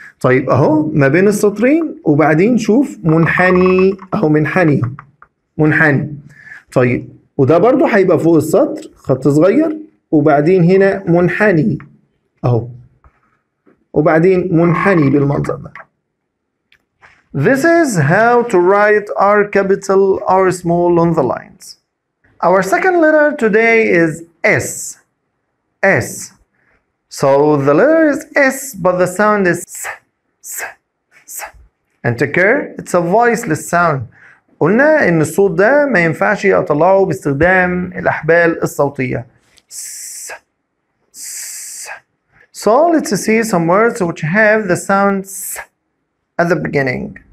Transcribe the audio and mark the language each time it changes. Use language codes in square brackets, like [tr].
[ar] طيب اهو ما بين السطرين وبعدين شوف منحني اهو منحني منحني. طيب وده برضو هيبقى فوق السطر خط صغير وبعدين هنا منحني اهو وبعدين منحني بالمنظر ده. [en] This is how to write R capital, R small on the lines. Our second letter today is S. S. So the letter is S, but the sound is S, S, S. And take care, it's a voiceless sound. [ar] قلنا إن الصوت ده ما ينفعش يطلعه باستخدام الأحبال الصوتية. [en] S, S. So let's see some words which have the sound S at the beginning.